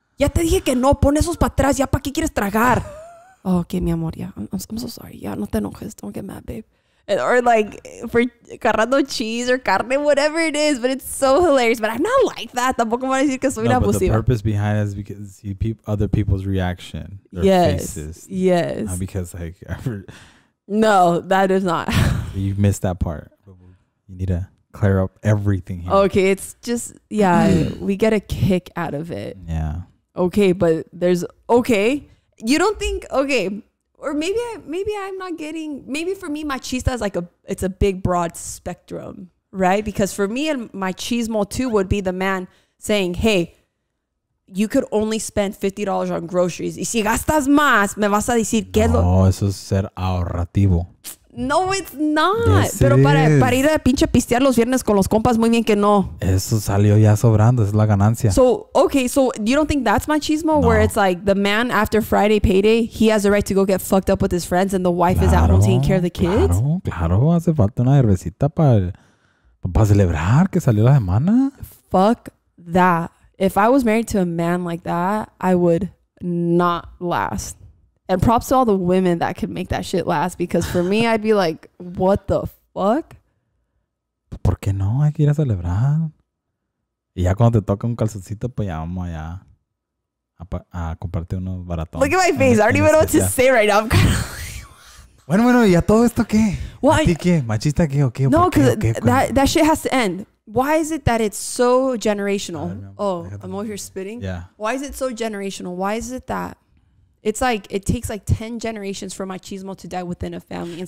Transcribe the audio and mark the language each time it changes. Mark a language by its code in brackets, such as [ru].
[es] Ya te dije que no, pon esos para atrás. Ya, ¿para qué quieres tragar? Okay, mi amor, [en] yeah, I'm so sorry. Yeah, [es] no te enojes, [en] don't get mad, babe. Or like for carrando cheese or carne, whatever it is. But it's so hilarious. But I'm not like that. [es] Tampoco me voy a decir que soy una abusiva. [en] The purpose behind it is because you see other people's reaction. Their faces. Yes. Not because like. No, that is not. You missed that part. You need to clear up everything here. Okay, it's just, yeah, we get a kick out of it. Yeah. Okay, but there's, okay. You don't think, okay. Or maybe for me, machista is like it's a big broad spectrum, right? Because for me, and machismo too would be the man saying, hey, you could only spend $50 on groceries. [es] Y si gastas más, me vas a decir que no. No, eso es ser ahorrativo. [en] No, it's not. [es] Yes, pero it para ir a pinche pistear los viernes con los compas, muy bien que no. Eso salió ya sobrando. Es la ganancia. [en] So, okay. So, you don't think that's machismo? No. Where it's like the man after Friday payday, he has the right to go get fucked up with his friends and the wife is out home taking care of the kids? [es] Claro. Hace falta una cervecita para celebrar que salió la semana. [en] Fuck that. If I was married to a man like that, I would not last. And props to all the women that could make that shit last, because for me, I'd be like, what the fuck? [es] ¿Por qué no? Hay que ir a celebrar. Y ya cuando te toca un calzoncito, pues ya vamos allá a comprarte unos baratones. [en] Look at my face. I don't even know what to say right now. I'm kind of [es] bueno, ¿y a todo esto qué? [en] Well, [es] ¿a ti qué? ¿Machista qué o qué? [en] No, because that shit has to end. Why is it that it's so generational? I'm over here spitting. Yeah. Why is it so generational? Why is it that it's like it takes like 10 generations for machismo to die within a family?